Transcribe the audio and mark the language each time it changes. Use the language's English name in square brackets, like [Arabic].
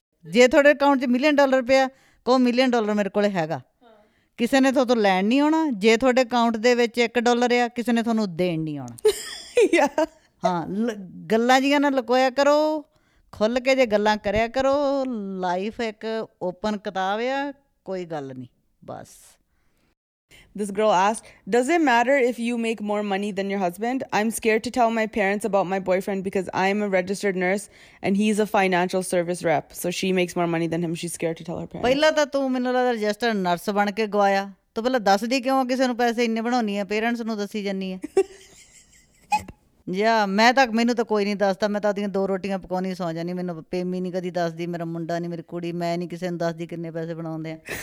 [Punjabi] ਜੇ ਤੁਹਾਡੇ ਅਕਾਊਂਟ 'ਚ $1,000,000 ਪਿਆ, ਕਹੋ $1,000,000 ਮੇਰੇ ਕੋਲ ਹੈਗਾ, ਕਿਸੇ ਨੇ ਤੁਹਾਡੇ ਤੋਂ ਲੈਣ ਨਹੀਂ ਆਉਣਾ। ਜੇ ਤੁਹਾਡੇ ਅਕਾਊਂਟ ਦੇ ਵਿੱਚ $1 ਆ, ਕਿਸੇ ਨੇ ਤੁਹਾਨੂੰ ਦੇਣ ਨਹੀਂ ਆਉਣਾ। ਹਾਂ, ਗੱਲਾਂ ਜਿਹੀਆਂ ਨਾ ਲੁਕੋਇਆ ਕਰੋ, ਖੁੱਲ੍ਹ ਕੇ ਜੇ ਗੱਲਾਂ ਕਰਿਆ ਕਰੋ। ਲਾਈਫ ਇੱਕ ਓਪਨ ਕਿਤਾਬ ਆ, ਕੋਈ ਗੱਲ ਨਹੀਂ ਬਸ। [English] This girl asked, does it matter if you make more money than your husband? I'm scared to tell my parents about my boyfriend because I'm a registered nurse and he's a financial service rep. So she makes more money than him. She's scared to tell her parents. [Punjabi] ਪਹਿਲਾਂ ਤਾਂ ਤੂੰ ਮੈਨੂੰ ਲੱਗਦਾ register nurse ਬਣ ਕੇ ਗਵਾਇਆ, ਤੂੰ ਪਹਿਲਾਂ ਦੱਸਦੀ ਕਿਉਂ ਕਿਸੇ ਨੂੰ ਪੈਸੇ ਇੰਨੇ ਬਣਾਉਣੀ ਆ, ਪੇਰੈਂਟਸ ਨੂੰ ਦੱਸੀ ਜਾਂਦੀ ਹੈ ਜਾਂ ਮੈਂ ਤਾਂ, ਮੈਨੂੰ ਤਾਂ ਕੋਈ ਨਹੀਂ ਦੱਸਦਾ, ਮੈਂ ਤਾਂ ਉਹਦੀਆਂ 2 ਰੋਟੀਆਂ ਪਕਾਉਣੀ ਸੌਂ ਜਾਂਦੀ, ਮੈਨੂੰ ਪੇਮੀ ਨਹੀਂ ਕਦੀ ਦੱਸਦੀ, ਮੇਰਾ ਮੁੰਡਾ ਨਹੀਂ, ਮੇਰੀ ਕੁੜੀ, ਮੈਂ ਨਹੀਂ ਕਿਸੇ ਨੂੰ ਦੱਸਦੀ ਕਿੰਨੇ ਪੈਸੇ ਬਣਾਉਂਦੇ ਆ।